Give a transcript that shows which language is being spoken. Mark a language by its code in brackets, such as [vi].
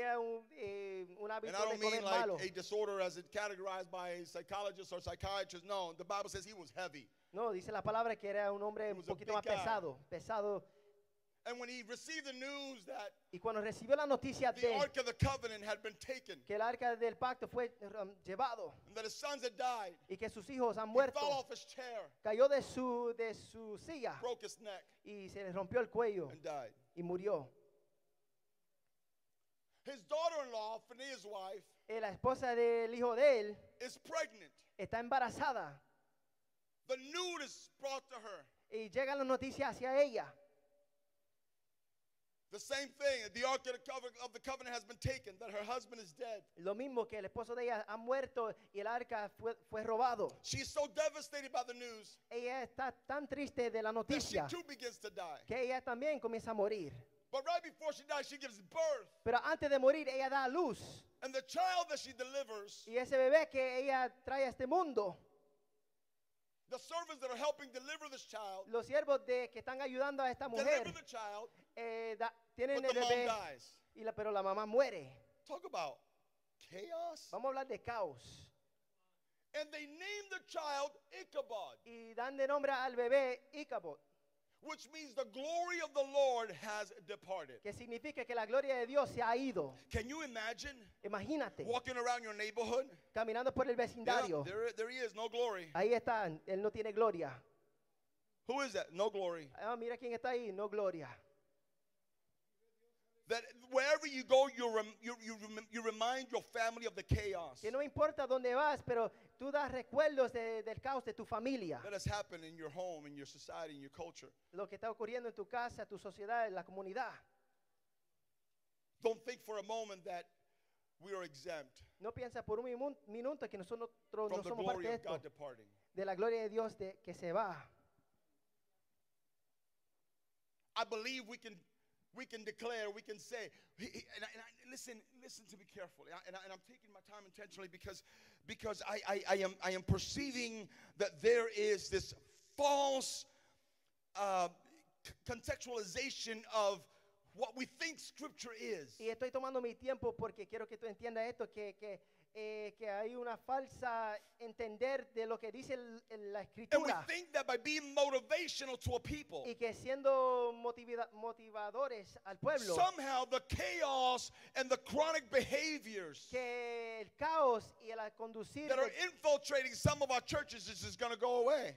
[en] And I don't mean like a disorder as it categorized by psychologists or psychiatrists. No, the Bible says he was heavy. [es] No, dice la palabra que era un hombre un poquito más pesado. [en] And when he received the news that [es] y cuando recibió la noticia [en] the Ark of the Covenant had been taken, [es] que el arca del pacto fue llevado, [en] and that his sons had died, [es] y que sus hijos han muerto, [en] he fell off his chair, [es] cayó de su silla, [en] broke his neck, [es] y se le rompió el cuello, [en] and died, [es] y murió. [en] His daughter-in-law, Phinehas' wife, [es] la esposa del hijo de él, [en] is pregnant. [es] Está embarazada. [en] The news is brought to her. [es] Y llega la noticia hacia ella. [en] The same thing, the ark of the covenant has been taken, that her husband is dead. [es] Lo mismo que el esposo de ella ha muerto y el arca fue robado. [en] She is so devastated by the news. [es] Ella está tan triste de la noticia. [en] She too begins to die. [es] Que ella también comienza a morir. [en] But right before she dies, she gives birth. [es] Pero antes de morir, ella da luz. [en] And the child that she delivers. [es] Y ese bebé que ella trae a este mundo. [en] The servants that are helping deliver this child. [es] Los siervos de que están ayudando a esta mujer. [en] Deliver the child. [es] Tienen el bebé y pero la mamá muere. [en] Talk about chaos. [es] Vamos a hablar de caos. [en] And they name the child Ichabod. [es] Y dan de nombre al bebé Ichabod. [en] Which means the glory of the Lord has departed. [es] Que significa que la gloria de Dios se ha ido. [en] Can you imagine? [es] Imagínate. [en] Walking around your neighborhood. [es] Caminando por el vecindario. [en] There he is, no glory. [es] Ahí está, él no tiene gloria. [en] Who is that? No glory. [es] Ah, mira quién está ahí, no gloria. [en] That wherever you go, you remind your family of the chaos. [es] Que no importa dónde vas, pero tú das recuerdos del caos de tu familia. [en] That has happened in your home, in your society, in your culture. [es] Lo que está ocurriendo en tu casa, tu sociedad, en la comunidad. [en] Don't think for a moment that we are exempt. [es] No piensa por un minuto que nosotros no somos parte de esto. [en] From the glory of God departing. [es] De la gloria de Dios que se va. [en] I believe we can. We can declare, we can say, listen to me carefully. I'm taking my time intentionally because I am perceiving that there is this false contextualization of what we think scripture is. [es] Y estoy tomando mi tiempo porque quiero que tú entiendas esto, que hay una falsa entender de lo que dice la escritura. [en] And we think that by being motivational to a people. [es] Y que siendo motivadores al pueblo. [en] Somehow the chaos and the chronic behaviors. [es] Que el caos y el conducir. [en] That are infiltrating some of our churches is just going to go away.